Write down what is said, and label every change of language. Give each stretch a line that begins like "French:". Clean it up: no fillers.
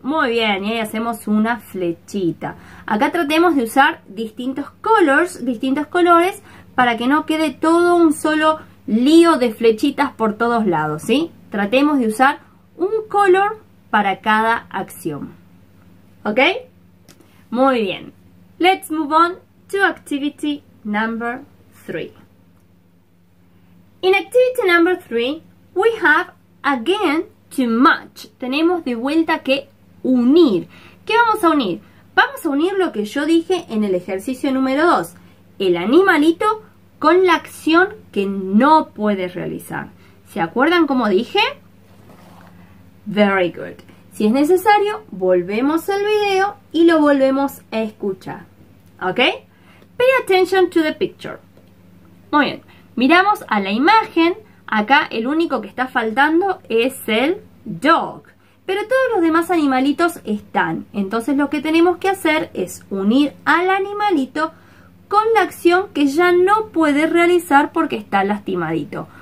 Spanish: Muy bien, y ahí hacemos una flechita. Acá tratemos de usar distintos colores, para que no quede todo un solo lío de flechitas por todos lados, ¿sí? Tratemos de usar un color para cada acción. ¿Ok? Muy bien.
English: Let's move on to activity number 3. In activity number 3, we have again to match.
Spanish: Tenemos de vuelta que unir. ¿Qué vamos a unir? Vamos a unir lo que yo dije en el ejercicio número 2. El animalito con la acción que no puede realizar. ¿Se acuerdan cómo dije?
English: Very good.
Spanish: Si es necesario, volvemos al video y lo volvemos a escuchar. ¿Ok?
English: Pay attention to the picture.
Spanish: Muy bien. Miramos a la imagen, acá el único que está faltando es el dog, pero todos los demás animalitos están. Entonces lo que tenemos que hacer es unir al animalito con la acción que ya no puede realizar porque está lastimadito.